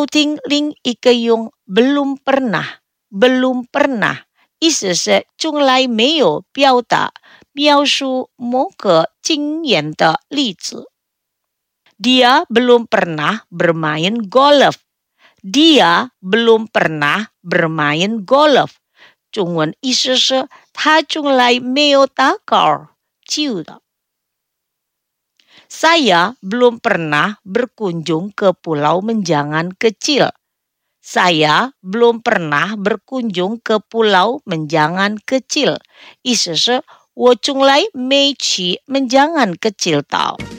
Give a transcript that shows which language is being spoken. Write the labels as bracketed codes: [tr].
[zh] 请收听另一个用 [id] belum pernah, belum pernah [zh] 意思是从来没有表达描述某个经验的例子。 [id] Dia belum pernah bermain golf. Dia belum pernah bermain golf. [zh] 中文意思是他从来没有打高球的。 [id] Saya belum pernah berkunjung ke Pulau Menjangan Kecil. Saya belum pernah berkunjung ke Pulau Menjangan Kecil. [zh] 意思是我从来没去Menjangan Kecil到。